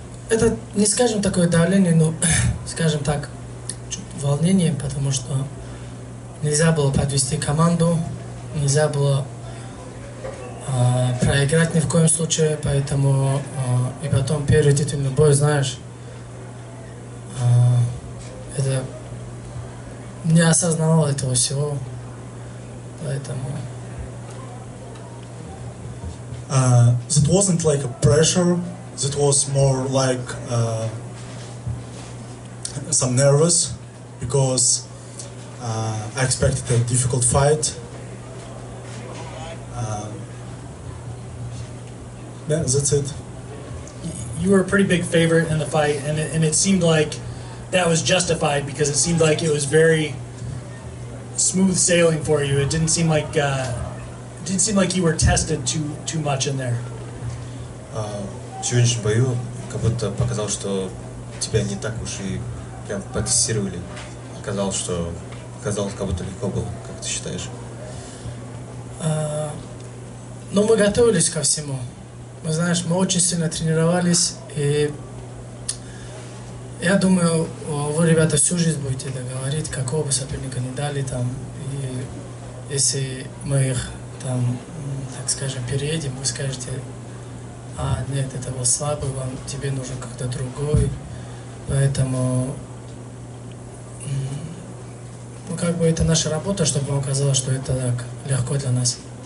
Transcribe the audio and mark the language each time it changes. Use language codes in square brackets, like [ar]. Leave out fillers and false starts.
[ru] Это не скажем такое давление, но скажем так, чуть волнение, потому что нельзя было подвести команду, нельзя было проиграть ни в коем случае, поэтому и потом первый титульный бой, знаешь, это не осознавал этого всего, поэтому. [en] That wasn't like a pressure, that was more like some nervous, because I expected a difficult fight. Yeah, that's it. You were a pretty big favorite in the fight, and it seemed like that was justified because it seemed like it was very smooth sailing for you. It didn't seem like you were tested too much in there. [ru] В сегодняшнем бою как будто показал, что тебя не так уж и прям потестировали. Казалось, как будто легко было. Как ты считаешь? Но мы готовились ко всему. Мы, знаешь, мы очень сильно тренировались, и я думаю, вы, ребята, всю жизнь будете говорить, какого бы соперника не дали, там, и если мы их, там, так скажем, переедем, вы скажете, а, нет, это был слабый, вам, тебе нужен как-то другой, поэтому, ну, как бы это наша работа, чтобы вам казалось, что это так легко для нас.